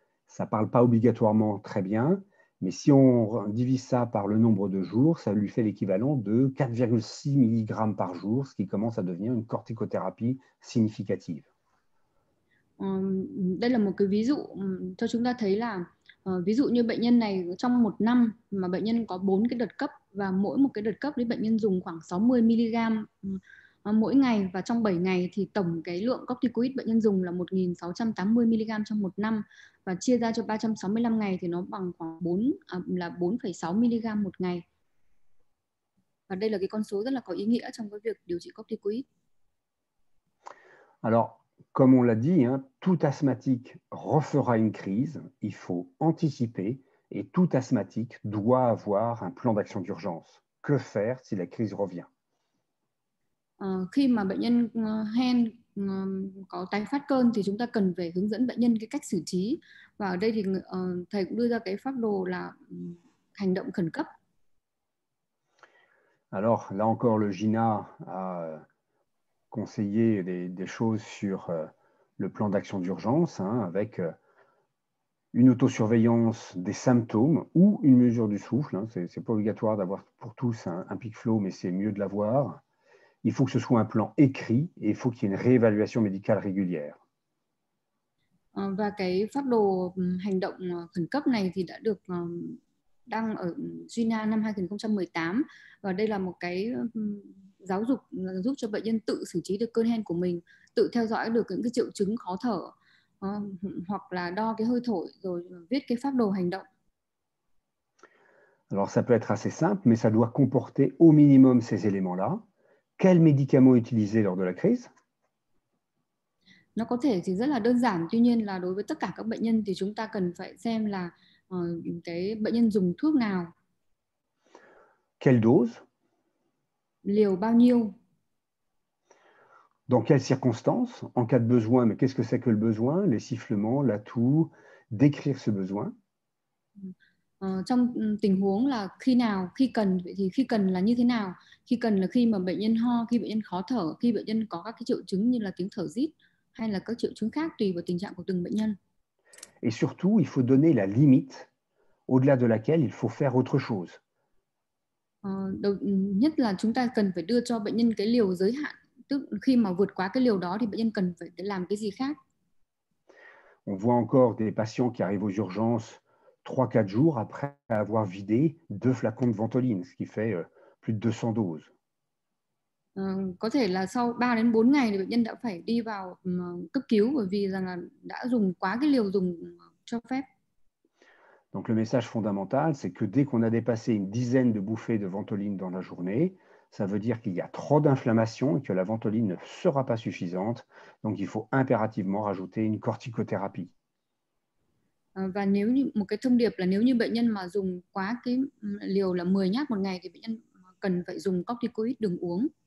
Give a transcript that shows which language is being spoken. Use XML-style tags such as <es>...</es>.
<fr>Ça ne parle pas obligatoirement très bien, mais si on divise ça par le nombre de jours, ça lui fait l'équivalent de 4,6 mg par jour, ce qui commence à devenir une corticothérapie significative.</fr> <vi>Đây là một cái ví dụ cho chúng ta thấy là ví dụ như bệnh nhân này trong một năm mà bệnh nhân có 4 cái đợt cấp và mỗi một cái đợt cấp thì bệnh nhân dùng khoảng 60 mg mỗi ngày, và trong 7 ngày thì tổng cái lượng corticoid bệnh nhân dùng là 1680 mg trong một năm, và chia ra cho 365 ngày thì nó bằng khoảng 4,6 mg một ngày. Và đây là cái con số rất là có ý nghĩa trong cái việc điều trị corticoid.</vi> <fr>Alors, comme on l'a dit, hein, tout asthmatique refera une crise, il faut anticiper, et tout asthmatique doit avoir un plan d'action d'urgence. Que faire si la crise revient?</fr> <vi>Khi mà bệnh nhân hen có tái phát cơn thì chúng ta cần phải hướng dẫn bệnh nhân cái cách xử trí. Và ở đây thì thầy cũng đưa ra cái phác đồ là hành động khẩn cấp.</vi> <fr>Alors, là encore le GINA a conseiller des choses sur le plan d'action d'urgence, hein, avec une autosurveillance des symptômes ou une mesure du souffle. Hein, ce n'est pas obligatoire d'avoir pour tous un peak flow, mais c'est mieux de l'avoir. Il faut que ce soit un plan écrit et il faut qu'il y ait une réévaluation médicale régulière.</fr> <vi>Và cái phác đồ hành động khẩn cấp này thì đã được đăng ở GINA năm 2018, và đây là một cái giáo dục giúp cho bệnh nhân tự xử trí được cơn hen của mình, tự theo dõi được những cái triệu chứng khó thở hoặc là đo cái hơi thổi rồi viết cái phác đồ hành động.</vi> <fr>Alors ça peut être assez simple, mais ça doit comporter au minimum ces éléments-là. Quels médicaments utiliser lors de la crise?</fr> <vi>Nó có thể thì rất là đơn giản, tuy nhiên là đối với tất cả các bệnh nhân thì chúng ta cần phải xem là cái bệnh nhân dùng thuốc nào.</vi> <fr>Quelle dose?</fr> <vi>Liều bao nhiêu?</vi> <fr>Dans quelles circonstances? En cas de besoin, mais qu'est-ce que c'est que le besoin? Les sifflements, la toux, décrire ce besoin?</fr> <vi>Trong tình huống là khi nào, khi cần, vậy thì khi cần là như thế nào? Khi cần là khi mà bệnh nhân ho, khi bệnh nhân khó thở, khi bệnh nhân có các cái triệu chứng như là tiếng thở rít hay là các triệu chứng khác tùy vào tình trạng của từng bệnh nhân.</vi> <fr>Et surtout, il faut donner la limite au-delà de laquelle il faut faire autre chose.</fr> <vi>Đầu nhất là chúng ta cần phải đưa cho bệnh nhân cái liều giới hạn, tức khi mà vượt quá cái liều đó thì bệnh nhân cần phải làm cái gì khác.</vi> <fr>On voit encore des patients qui arrivent aux urgences 3-4 jours après avoir vidé 2 flacons de Ventoline, ce qui fait plus de 200 doses.</fr> <vi>Có thể là sau 3 đến 4 ngày thì bệnh nhân đã phải đi vào cấp cứu bởi vì rằng là đã dùng quá cái liều dùng cho phép.</vi> <fr>Donc le message fondamental, c'est que dès qu'on a dépassé une dizaine de bouffées de Ventoline dans la journée, ça veut dire qu'il y a trop d'inflammation et que la Ventoline ne sera pas suffisante. Donc il faut impérativement rajouter une corticothérapie.</fr> <vi>Và nếu như một cái thông điệp là nếu như bệnh nhân mà dùng quá cái liều là 10 nhát một ngày thì bệnh nhân cần phải dùng corticoid đường uống.</vi>